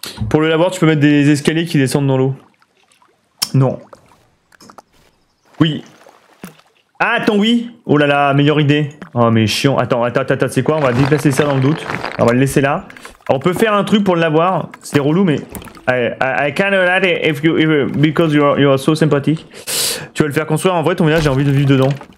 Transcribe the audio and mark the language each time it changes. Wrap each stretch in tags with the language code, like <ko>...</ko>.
<fr>Pour le lavoir, tu peux mettre des escaliers qui descendent dans l'eau. Non. Oui. Ah, attends, oui. Oh là là, meilleure idée. Oh, mais chiant. Attends, c'est quoi? On va déplacer ça dans le doute. On va le laisser là. Alors, on peut faire un truc pour le lavoir. C'est relou, mais...</fr> <en>I kind of like it if you, if, because you are so sympathetic.</en> <fr>Tu vas le faire construire. En vrai, ton village, j'ai envie de vivre dedans.</fr>